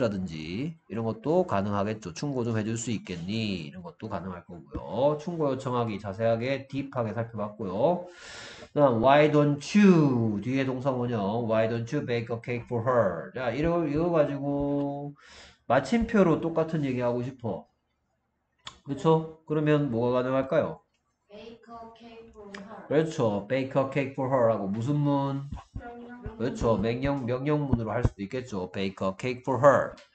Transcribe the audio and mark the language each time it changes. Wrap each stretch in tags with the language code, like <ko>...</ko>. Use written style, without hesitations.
<ko>라든지 이런 것도 가능하겠죠. 충고 좀 해줄 수 있겠니? 이런 것도 가능할 거고요. 충고 요청하기 자세하게 딥하게 살펴봤고요. 그다음</ko> <en>Why don't you?</en> <ko>뒤에 동사원형</ko> <en>Why don't you bake a cake for her?</en> <ko>자, 이거 가지고 마침표로 똑같은 얘기하고 싶어. 그쵸? 그러면 뭐가 가능할까요?</ko> <en>Make a cake for her.</en> <ko>그렇죠.</ko> <en>Bake a cake for her</en> <ko>하고 무슨 문? 그렇죠. 명령문으로 할 수도 있겠죠. Bake a cake for her.</ko>